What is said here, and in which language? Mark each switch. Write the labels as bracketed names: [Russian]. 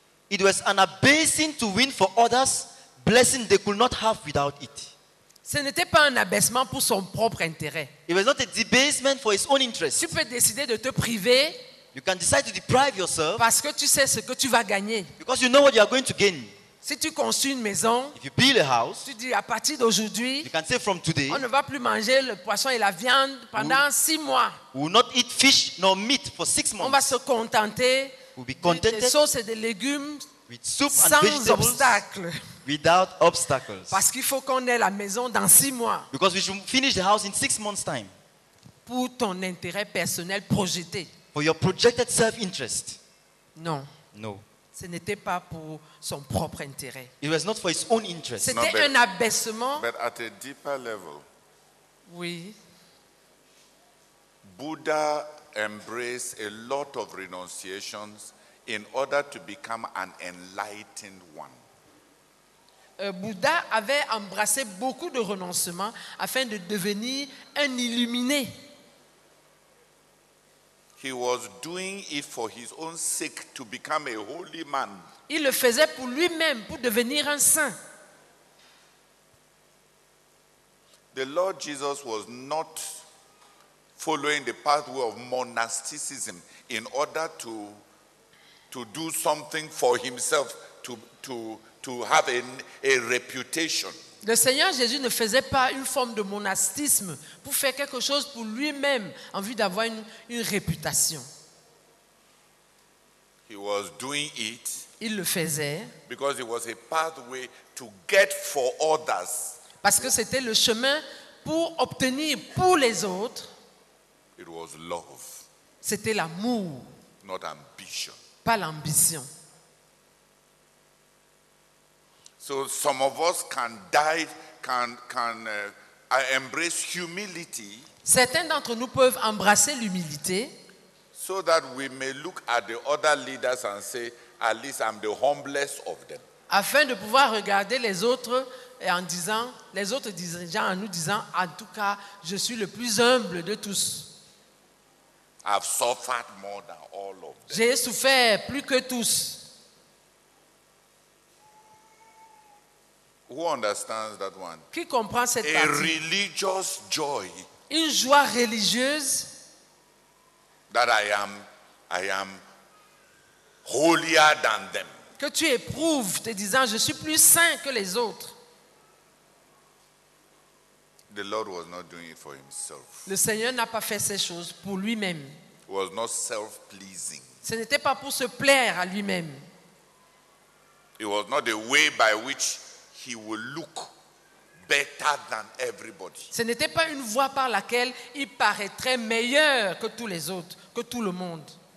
[English] It was an abasing to win for others blessings they could not have without it. [French] Ce n'était pas un abaissement pour son propre intérêt. [English] It was not a debasement for his own interest. [French] Tu peux décider de te priver. [English] You can decide to deprive yourself. [French] Parce que tu sais ce que tu vas gagner. [English] Because you know what you are going to gain. [French] Si tu construis une maison, [English] if you build a house, [French] tu dis à partir d'aujourd'hui, [English] you can say from today, [French] on ne va plus manger le poisson et la viande pendant 6 mois. [English] We will not eat fish nor meat for 6 months. [French] On va se contenter de sauces et de légumes [English] with soup [French] sans [English] and vegetables [French] obstacles. [English] Without obstacles. [French] Parce qu'il faut qu'on ait la maison dans 6 mois. [English] Because we should finish the house in 6 months' time. [French] Pour ton intérêt personnel projeté. [English] For your projected self-interest. [French] Non. [English] No. [French] Ce n'était pas pour son propre intérêt. [English] It was not for his own interest. [French] C'était un abaissement. [English] But at a deeper level. [French] Oui. [English] Buddha embraced a lot of renunciations in order to become an enlightened one. [French] Bouddha avait embrassé beaucoup de renoncements afin de devenir un illuminé. [English] He was doing it for his own sake to become a holy man. [French] Il le faisait pour lui-même, pour devenir un saint. [English] The Lord Jesus was not following the pathway of monasticism in order to do something for himself to have a reputation. [French] Le Seigneur Jésus ne faisait pas une forme de monastisme pour faire quelque chose pour lui-même en vue d'avoir une réputation. [English] He was doing it. [French] Il le faisait. [English] Because it was a pathway to get for others. [French] Parce que c'était le chemin pour obtenir pour les autres. [English] It was love. [French] C'était l'amour. [English] Not ambition. [French] Pas l'ambition. [English] So some of us can die, can embrace humility. [French] Certains d'entre nous peuvent embrasser l'humilité. [English] So that we may look at the other leaders and say, at least I'm the humblest of them. [French] Afin de pouvoir regarder les autres et en disant, les autres dirigeants en nous disant, en tout cas, je suis le plus humble de tous. [English] I've suffered more than all of them. [French] J'ai souffert plus que tous. [English] Who understands that one? [French] Qui comprend cette a partie? [English] Religious joy. [French] Une joie religieuse. [English] That I am holier than them. [French] Que tu éprouves te disant je suis plus saint que les autres. [English] The Lord was not doing it for himself. [French] Le Seigneur n'a pas fait ces choses pour lui-même. [English] It was not self-pleasing. [French] Ce n'était pas pour se plaire à lui-même. [English] It was not the way by which he will look better than everybody. [French] Ce n'était pas une voie par laquelle il paraîtrait meilleur que tous les autres, que tout le monde.